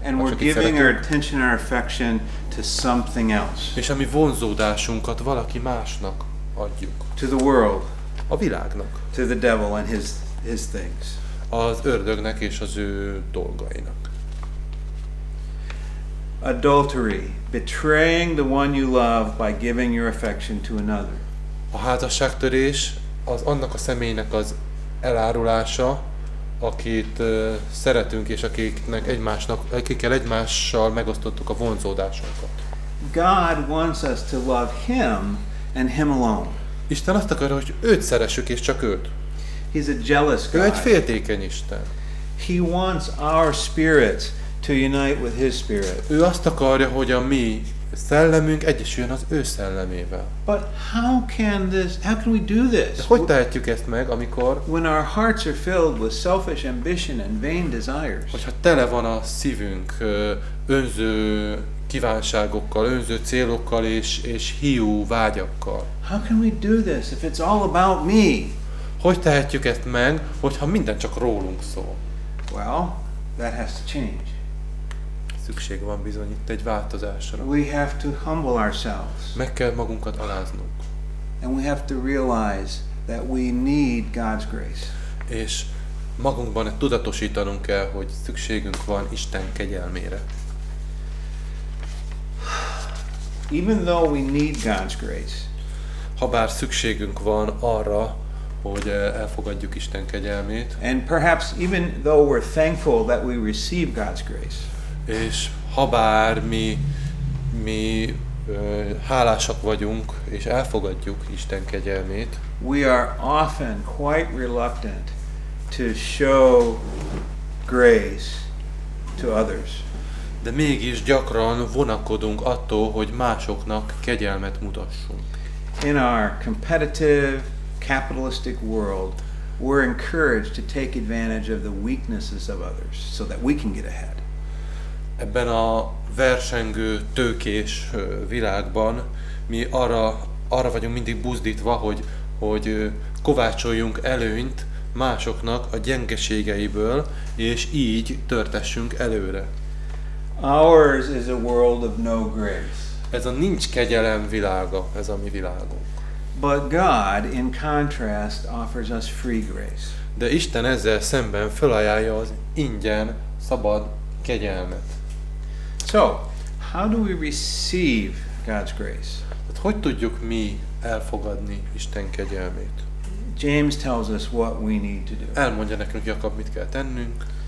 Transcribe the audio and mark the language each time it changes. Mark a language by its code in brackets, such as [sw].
[en] And we're giving our attention and our affection to something else. [hu] És a mi vonzódásunkat valaki másnak adjuk. [en] To the world. [hu] A világnak. [en] To the devil and his things. [hu] Az ördögnek és az ő dolgainak. [en] Adultery, betraying the one you love by giving your affection to another. [hu] A házasságtörés az annak a személynek az elárulása, akit szeretünk és akiknek egymásnak, akikkel egymással megosztottuk a vonzódásunkat. [en] God wants us to love him and him alone. [hu] Isten azt akarja, hogy őt szeressük és csak őt. [en] He's a jealous God. [hu] Ő egy féltékeny Isten. [en] He wants our spirits to unite with his spirit. [hu] Ő azt akarja, hogy a mi szellemünk egyesüljön az ő szellemével. [en] But how can we do this? [hu] De hogy tehetjük ezt meg, amikor [en] when our hearts are filled with selfish ambition and vain desires? [hu] Hogyha tele van a szívünk önző kívánságokkal, önző célokkal és hiú vágyakkal. [en] How can we do this if it's all about me? [hu] Hogy tehetjük ezt meg, hogyha minden csak rólunk szól? [en] Well, that has to change. [hu] Szükség van bizony itt egy változásra. [en] We have to humble ourselves. [hu] Meg kell magunkat aláznunk. [en] And we have to realize that we need God's grace. [hu] És magunkban tudatosítanunk kell, hogy szükségünk van Isten kegyelmére. [en] Even though we need God's grace. [hu] Habár szükségünk van arra, hogy elfogadjuk Isten kegyelmét. [en] And perhaps even though we're thankful that we receive God's grace. [hu] És habár mi hálásak vagyunk és elfogadjuk Isten kegyelmét, [en] we are often quite reluctant to show grace to others. [hu] De mégis gyakran vonakodunk attól, hogy másoknak kegyelmet mutassunk. [en] In our competitive capitalistic world, we're encouraged to take advantage of the weaknesses of others so that we can get ahead. [hu] Ebben a versengő tőkés világban mi arra vagyunk mindig buzdítva, hogy kovácsoljunk előnyt másoknak a gyengeségeiből, és így törtessünk előre. [en] Ours is a world of no grace. [hu] Ez a nincs kegyelem világa, ez a mi világunk. [en] But God, in contrast, offers us free grace. [hu] De Isten ezzel szemben felajánlja az ingyen, szabad kegyelmet. [en] So, how do we receive God's grace? [hu] Hát hogy tudjuk mi elfogadni Isten kegyelmét? [en] James tells us what we need to do. [hu] Elmondja nekünk, Jakab, mit kell tennünk.